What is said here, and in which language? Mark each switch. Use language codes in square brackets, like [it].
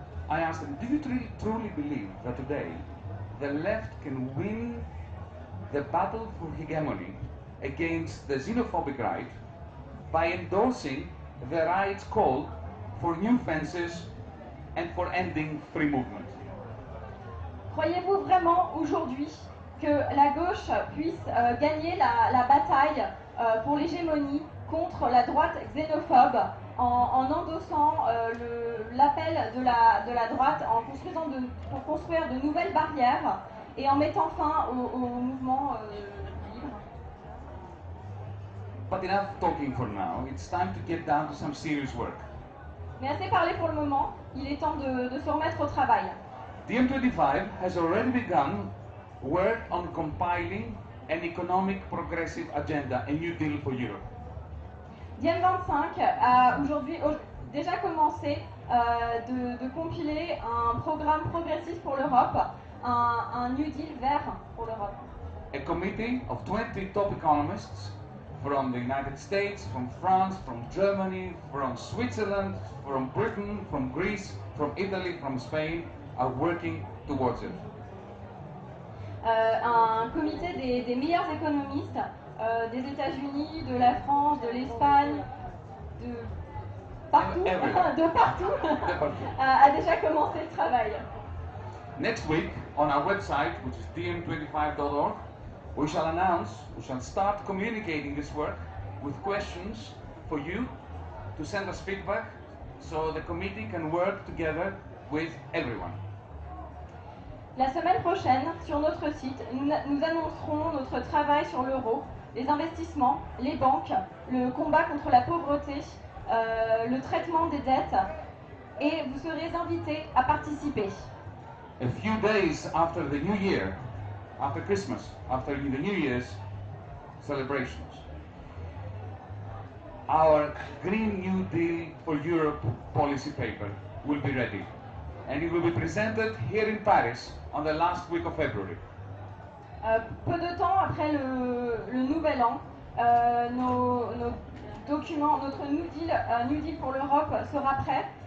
[en] I ask them, do you truly believe that today the left can win the battle for hegemony against the xenophobic right by endorsing the right's call for new fences and for ending free movement. [fr] Croyez-vous vraiment aujourd'hui que la gauche puisse gagner la bataille pour l'hégémonie contre la droite xénophobe en endossant l'appel de la droite, en construisant pour construire de nouvelles barrières et en mettant fin au mouvement libre? [en] But enough talking for now. It's time to get down to some serious work. [fr] Mais assez parlé pour le moment, il est temps de se remettre au travail. [en] DiEM25 has already begun work on compiling an economic progressive agenda, a new deal for Europe. [fr] DiEM25 a aujourd'hui déjà commencé de compiler un programme progressif pour l'Europe, un new deal vert pour l'Europe. [en] A committee of 20 top economists from the United States, from France, from Germany, from Switzerland, from Britain, from Greece, from Italy, from Spain, are working towards it. [fr] Un comité des meilleurs économistes des États-Unis, de la France, de l'Espagne, de partout, a déjà commencé le travail. [en] Next week, on our website, which is diem25.org, we shall announce, we shall start communicating this work with questions for you to send us feedback so the committee can work together with everyone. [fr] La semaine prochaine, sur notre site, nous annoncerons notre travail sur l'euro, les investissements, les banques, le combat contre la pauvreté, le traitement des dettes, et vous serez invités à participer. [en] A few days after the new year, after Christmas, after the New Year's celebrations, our Green New Deal for Europe policy paper will be ready. And it will be presented here in Paris on the last week of February. [fr] Peu de temps après le nouvel an, nos documents, notre New Deal pour l'Europe sera prêt.